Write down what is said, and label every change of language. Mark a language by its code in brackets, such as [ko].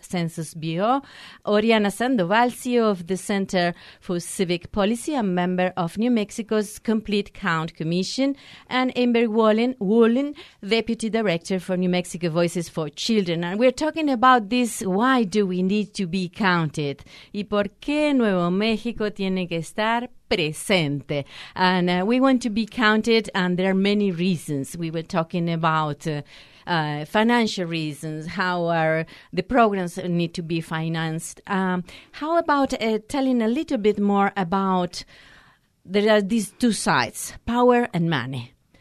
[en] Census Bureau, Oriana Sandoval, CEO of the Center for Civic Policy, a member of New Mexico's Complete Count Commission, and Amber Woolen, Deputy Director for New Mexico Voices for Children. And we're talking about this, why do we need to be counted? [es] ¿Y por qué Nuevo México tiene que estar presente? [en] And we want to be counted, and there are many reasons. We were talking about financial reasons, how are the programs need to be financed. How about telling a little bit more about, there are these two sides, power and money.